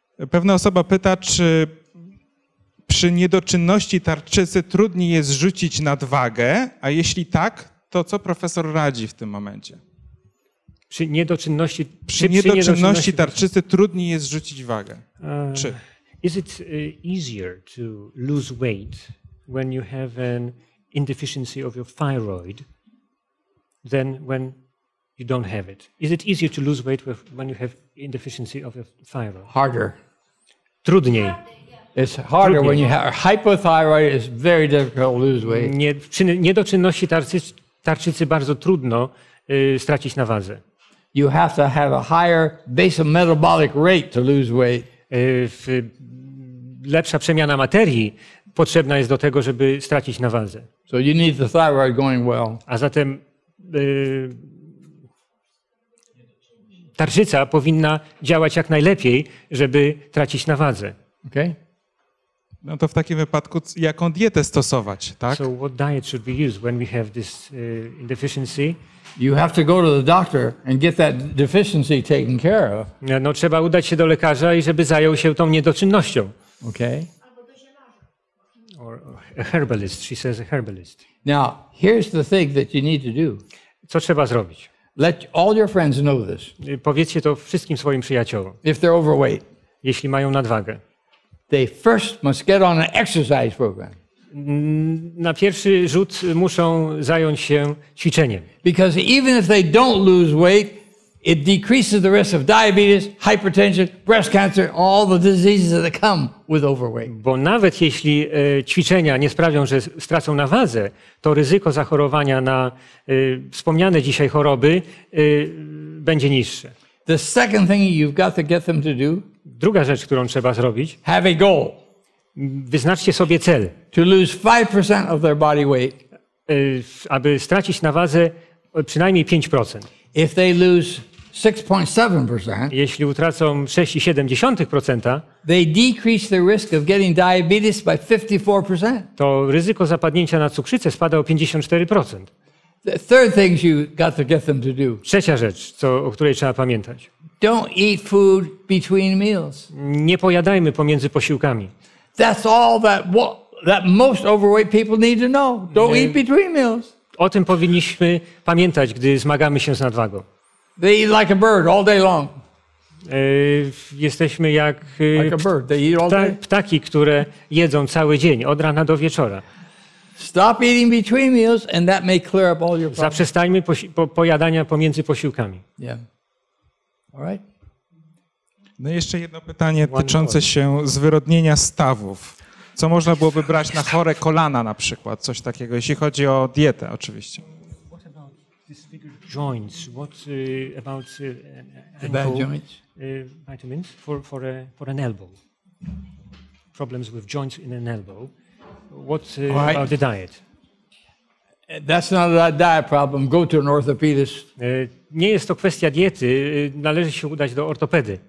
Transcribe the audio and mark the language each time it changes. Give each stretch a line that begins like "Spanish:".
Polish: Pewna osoba pyta, czy przy niedoczynności tarczycy trudniej jest rzucić nadwagę, a jeśli tak, to co profesor radzi w tym momencie? Przy niedoczynności tarczycy trudniej jest rzucić wagę. Czy?
English: Is it easier to lose weight when you have an insufficiency of your thyroid than when you don't have it? Is it easier to lose weight when you have insufficiency of your thyroid? Harder.
Polish: Trudniej.
English: It's harder
Polish: trudniej.
English: When you have hypothyroid. It's very difficult to lose weight.
Polish: Niedoczynności tarczycy bardzo trudno stracić na wadze.
English: You have to have a higher basal metabolic rate to lose weight.
Polish: Lepsza przemiana materii potrzebna jest do tego, żeby stracić na wadze.
English: So you need the thyroid going well.
Polish: A zatem tarczyca powinna działać jak najlepiej, żeby tracić na wadze.
English: Okay.
Polish: No to w takim wypadku jaką dietę stosować, tak?
English: So what diet should we use when we have this deficiency? You have to go to the doctor and get that deficiency taken care of.
Polish: No trzeba udać się do lekarza i żeby zajął się tą niedoczynnością.
English: Okay. Or a herbalist, she says a herbalist. Now, here's the thing that you need to do.
Polish: Co trzeba zrobić?
English: Let all your friends know this.
Polish: Powiedzcie to wszystkim swoim przyjaciołom.
English: If they're overweight.
Polish: Jeśli mają nadwagę.
English: They first must get on an exercise program.
Polish: Na pierwszy rzut muszą zająć się ćwiczeniem.
English: Because even if they don't lose weight, it decreases the risk of diabetes, hypertension, breast cancer, all the diseases that come with overweight.
Polish: Bo nawet jeśli ćwiczenia nie sprawią, że stracą na wadze, to ryzyko zachorowania na wspomniane dzisiaj choroby będzie niższe.
English: The second thing you've got to get them to do.
Polish: Druga rzecz, którą trzeba zrobić.
English: Have a goal.
Polish: Wyznaczcie sobie cel.
English: To lose 5% of their body weight.
Polish: Aby stracić na wadze przynajmniej 5%.
English: If they lose 6.7%.
Polish: Jeśli utracą 6,7%.
English: They decrease the risk of getting diabetes by 54%.
Polish: To ryzyko zapadnięcia na cukrzycę spada o 54%.
English: The third thing you got to get them to do.
Polish: Trzecia rzecz, o której trzeba pamiętać.
English: Don't eat food between meals.
Polish: Nie pojadajmy pomiędzy posiłkami.
English: That's all that most overweight people need to know. Don't eat between meals.
Polish: O tym powinniśmy pamiętać, gdy zmagamy się z nadwagą.
English: They eat like a bird all day long.
Polish: Jesteśmy jak
English: like a bird. They eat all day.
Polish: Ptaki, które jedzą cały dzień, od rana do wieczora.
English: Stop eating between meals and that may clear up all your problems.
Polish: Zaprzestańmy pojadania pomiędzy posiłkami.
English: Yeah. All right.
Polish: No i jeszcze jedno pytanie tyczące się zwyrodnienia stawów. Co można byłoby brać na chore kolana na przykład, coś takiego, jeśli chodzi o dietę oczywiście.
English: What about disfigured joints? What about bad joints? Vitamins for an elbow. Problems with joints in an elbow. What about the diet? That's not a diet problem. Go to an orthopedist.
Polish: Nie jest to kwestia diety. Należy się udać do ortopedy.